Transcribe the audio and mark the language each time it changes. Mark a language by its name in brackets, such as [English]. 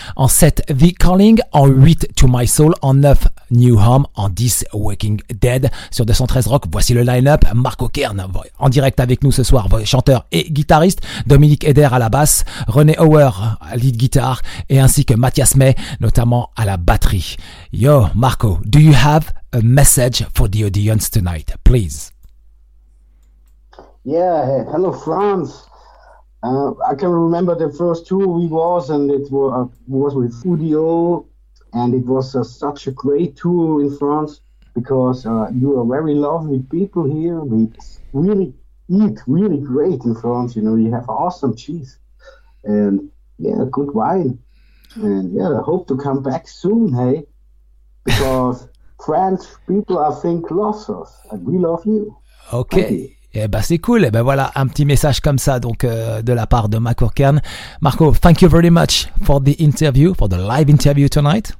[French] En 7, The Calling. En 8, To My Soul. En 9, New Home. En 10, Waking Dead. Sur 213 Rock, voici le line-up. Marco Kern, en direct avec nous ce soir, chanteur et guitariste. Dominique Eder à la basse. René Auer, lead guitar. Et ainsi que Mathias May, notamment à la batterie. [English] Yo, Marco, do you have a message for the audience tonight, please? Yeah, hello France. I can remember the first tour we was, and it was with Udio, and it was such a great tour in France because you are very lovely people here. We really eat really great in France. You know, you have awesome cheese, and yeah, good wine, and yeah, I hope to come back soon. Hey, because French people, I think, love us, and we love you. Okay. Thank you. [French] Eh ben c'est cool. Eh ben voilà, un petit message comme ça donc de la part de Marco Kern. [English] Marco, thank you very much for the interview, for the live interview tonight.